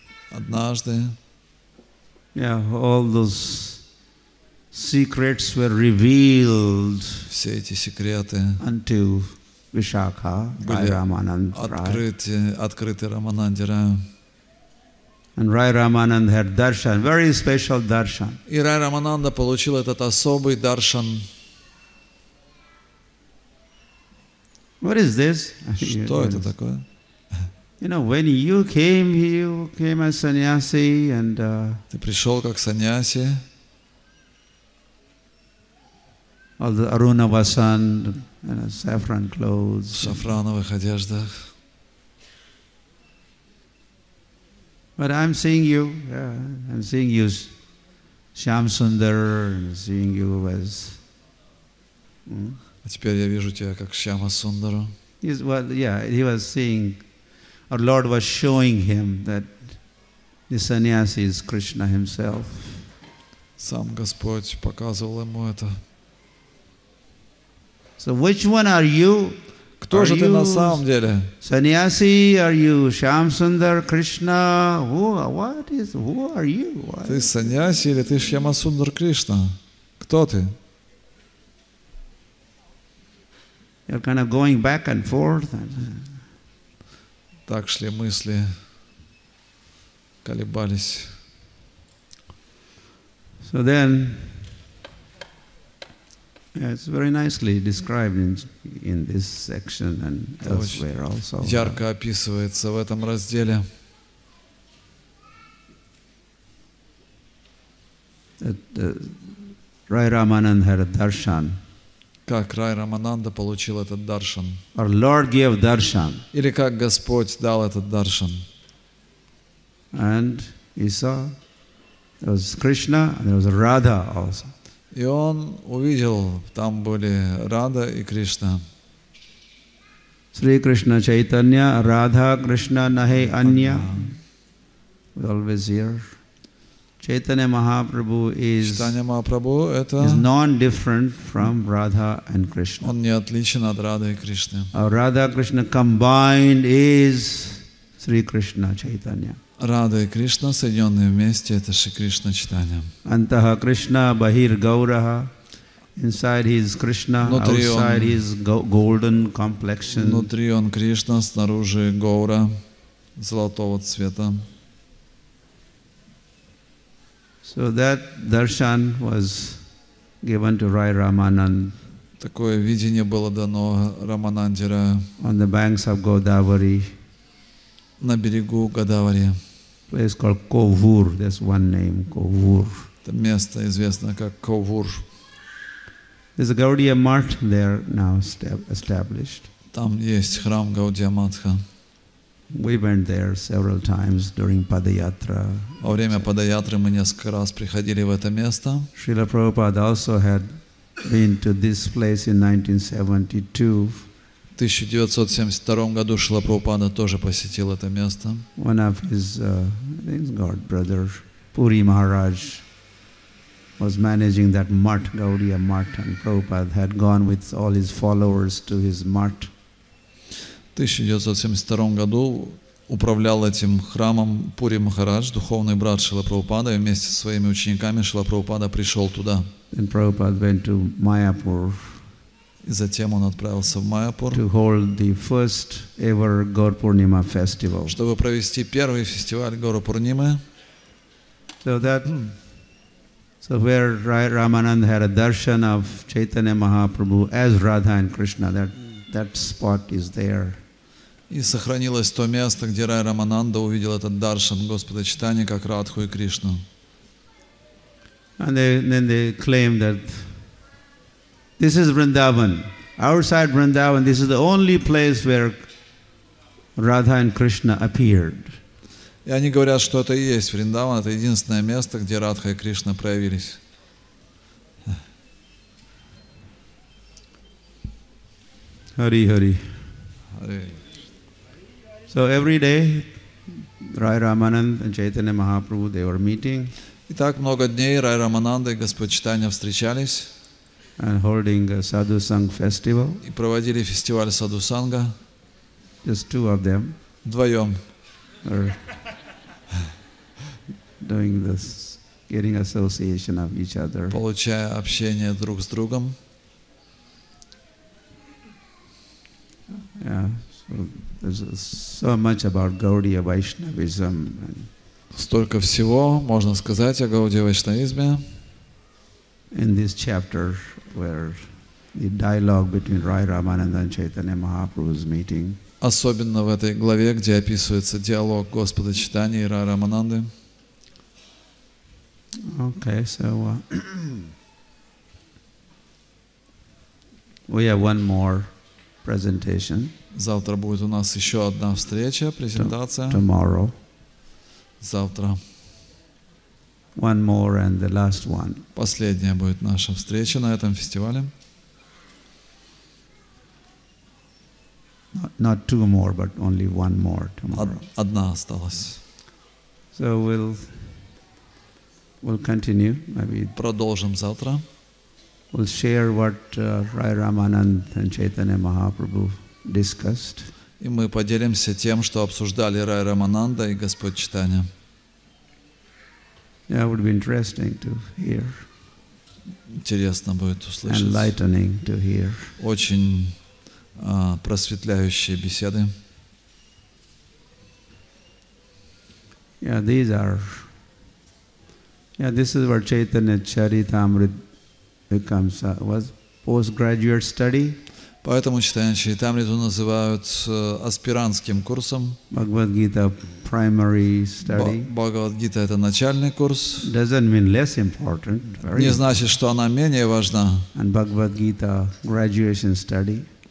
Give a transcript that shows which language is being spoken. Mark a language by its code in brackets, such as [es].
[ru] однажды, [en] yeah, all those secrets were revealed. [ru] Все эти секреты [en] until Vishakha, [ru] были открыты Рамананде Раю. [en] And Rai Ramananda had darshan, very special darshan. [ru] И Рай Рамананда получил этот особый даршан. [en] What is this? [ru] Что это такое? [en] You know, when you came as sannyasi, and [ru] ты пришел как саньяси. [en] All the aruna vasan, you know, saffron clothes. [ru] В шафрановых одеждах. [en] But I'm seeing you. Yeah, I'm seeing you, Shyam Sundar. Seeing you as. [ru] А теперь я вижу тебя как Шьяма Сундару. [en] Well, yeah, he was seeing. Our Lord was showing him that the sannyasi is Krishna himself. [ru] Сам Господь показывал ему это. [en] So which one are you? [ru] Кто же ты на самом деле? [en] Sannyasi, are you Shyam Sundar, Krishna? Who, what is, who are you? [ru] Ты саньяси или ты Шьяма Сундар Кришна? Кто ты? [en] You're kind of going back and forth. [ru] Так шли мысли, колебались. [en] So then, yeah, it's very nicely described in this section and elsewhere also. [ru] Ярко описывается в этом разделе. [en] Rai Ramananda had a darshan. [ru] Как Рай Рамананда получил этот даршан? [en] Our Lord gave darshan. [ru] Или как Господь дал этот даршан? [en] And he saw there was Krishna and there was Radha also. [ru] И он увидел, там были Рада и Кришна. [en] Sri Krishna Chaitanya, [bn] Radha Krishna Nahi Anya. [en] We always hear. Chaitanya Mahaprabhu is non-different from Radha and Krishna. [ru] Он не отличен от Радхи и Кришны. [en] Radha Krishna combined is Sri Krishna Chaitanya. [ru] Radha и Кришна соединенные вместе это Шри Кришна Чайтанья. [sa] Антаха Кришна Бахир Гаураха. [en] Inside he is Krishna, [ru] внутри [en] outside [ru] он, [en] he is golden complexion. [ru] Внутри он Кришна, снаружи Гаура золотого цвета. [en] So that darshan was given to Rai Ramanand. [ru] Такое видение было дано Рамананде Раю. [en] On the banks of Godavari. [ru] На берегу Годавари. [en] Place called Kovur. That's one name, Kovur. [ru] Это место известно как Kovur. [en] There's a Gaudiya Mart there now established. [ru] Там есть храм Гаудия Матха. [en] We went there several times during Padayatra. [ru] Во время Падаятры мы несколько раз приходили в это место. [en] Srila Prabhupada also had been to this place in 1972. [ru] В 1972 году Srila Prabhupada тоже посетил это место. [en] One of his god brother Puri Maharaj was managing that mart, Gaudiya Mart, and Prabhupada had gone with all his followers to his mart. [ru] В 1972 году управлял этим храмом Пури Махарадж, духовный брат Шрила Прабхупада, и вместе со своими учениками Шрила Прабхупада пришел туда. [en] Then Prabhupada went to Mayapur. [ru] И затем он отправился в Майяпур, [en] to hold the first ever Gaur-Purnima festival. [ru] Чтобы провести первый фестиваль Гаур-Пурнимы. [en] So that, so where Rai Ramananda had a darshan of Chaitanya Mahaprabhu as Radha and Krishna, that spot is there. [ru] И сохранилось то место, где Рай Рамананда увидел этот даршан Господа Чайтанья как Радху и Кришну. [en] And then they claim that this is Vrindavan. Outside Vrindavan, this is the only place where Radha and Krishna appeared. [ru] И они говорят, что это и есть Вриндаван, это единственное место, где Радха и Кришна проявились. Hari Hari. Hare. [en] So every day, Rai Ramananda and Chaitanya Mahaprabhu, they were meeting. [ru] Итак, много дней Рай Рамананда и Господь Чайтанья встречались. [en] And holding a Садху-Санг festival. [ru] И проводили фестиваль Садху-Санга. [en] just two of them. [ru] Вдвоем. [en] Doing this, getting association of each other. [ru] Получая общение друг с другом. [en] Yeah, so there's so much about Gaudiya Vaishnavism. [ru] Столько всего можно сказать о Гаудии вайшнавизме. [en] In this chapter, where the dialogue between Rai Ramananda and Chaitanya Mahaprabhu is meeting. [ru] Особенно в этой главе, где описывается диалог Господа Чайтаньи и Рай Рамананды. [en] Okay, so we have one more presentation. [ru] Завтра будет у нас еще одна встреча, презентация. [en] Tomorrow. [ru] Завтра. [en] One more and the last one. [ru] Последняя будет наша встреча на этом фестивале. [en] Not two more, but only one more tomorrow. [ru] Одна осталась. [en] So we'll continue, maybe. [ru] Продолжим завтра. [en] We'll share what Rai Ramananda and Chaitanya Mahaprabhu discussed. [ru] И мы поделимся тем, что обсуждали Рай Рамананда и Господь Чайтанья. [en] Yeah, it would be interesting to hear. [ru] Интересно будет услышать. [en] Enlightening to hear. [ru] Очень просветляющие беседы. [en] Yeah, these are. Yeah, this is where Chaitanya Charitamrita becomes was postgraduate study. [ru] Поэтому Чайтанья Чаритамриту называют аспирантским курсом. Бхагавад-гита primary study. Бхагавад-гита это начальный курс. [en] Doesn't mean less important. [ru] Не значит, что она менее важна. [en] And Бхагавад-гита graduation study.